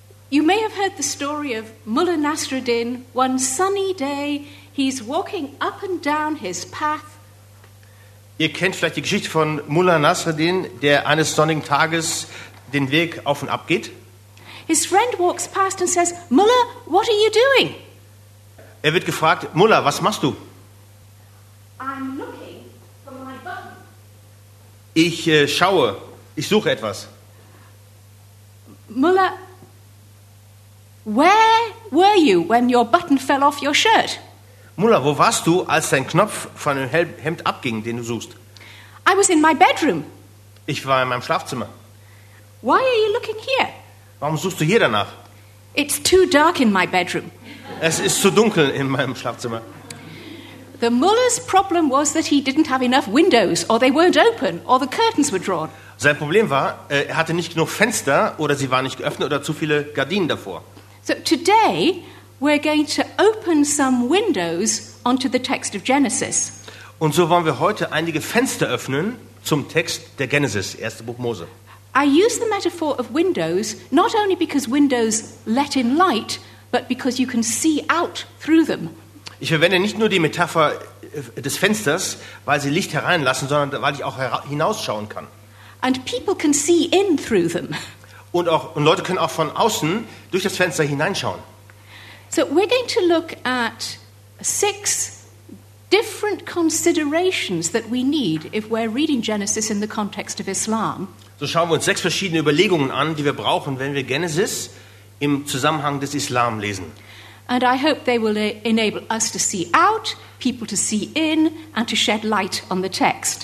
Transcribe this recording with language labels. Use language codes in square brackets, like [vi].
[en] You may have heard the story of Mullah Nasruddin. One sunny day, he's walking up and down his path. [de] Ihr kennt vielleicht die Geschichte von Mullah Nasruddin, der eines sonnigen Tages den Weg auf und ab geht. [en] His friend walks past and says, Mullah, what are you doing? [de] Er wird gefragt, Mullah, was machst du? [en] I'm looking for my button. [de] Ich schaue, ich suche etwas. [en] Mullah, where were you when your button fell off your shirt? [de] Mullah, wo warst du, als dein Knopf von dem Hemd abging, den du suchst? [en] I was in my bedroom. [de] Ich war in meinem Schlafzimmer. [en] Why are you looking here? [de] Warum suchst du hier danach? [en] It's too dark in my bedroom. [de] Es ist zu dunkel in meinem Schlafzimmer. [en] The Mullah's problem was that he didn't have enough windows, or they weren't open, or the curtains were drawn. [de] Sein Problem war, er hatte nicht genug Fenster, oder sie waren nicht geöffnet, oder zu viele Gardinen davor. [en] So today we're going to open some windows onto the text of Genesis. [de] Und so wollen wir heute einige Fenster öffnen zum Text der Genesis, erste Buch Mose. [en] I use the metaphor of windows not only because windows let in light, but because you can see out through them. [de] Ich verwende nicht nur die Metapher des Fensters, weil sie Licht hereinlassen, sondern weil ich auch hinausschauen kann. [en] And people can see in through them. [de] Und Leute können auch von außen durch das Fenster hineinschauen. [en] So we're going to look at six different considerations that we need if we're reading Genesis in the context of Islam. [de] So schauen wir uns sechs verschiedene Überlegungen an, die wir brauchen, wenn wir Genesis im Zusammenhang des Islam lesen. [en] And I hope they will enable us to see out, people to see in and to shed light on the text.